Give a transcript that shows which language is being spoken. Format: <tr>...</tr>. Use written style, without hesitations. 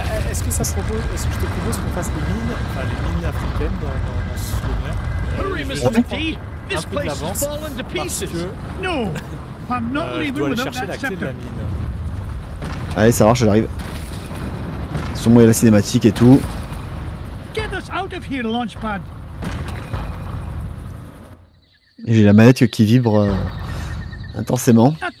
<fr>Est-ce que ça se propose, est-ce que je te propose qu'on fasse les mines, enfin les mines africaines dans ce souvenir?</fr> <en>Hurry, Mr. McPhee. This place has fallen to pieces. No. I'm not leaving without that scepter.</en> <fr>Allez, ça marche, j'arrive. Son moi la cinématique et tout.</fr> <en>Get us out of here, launchpad.</en> <fr>Et j'ai la manette qui vibre intensément.</fr>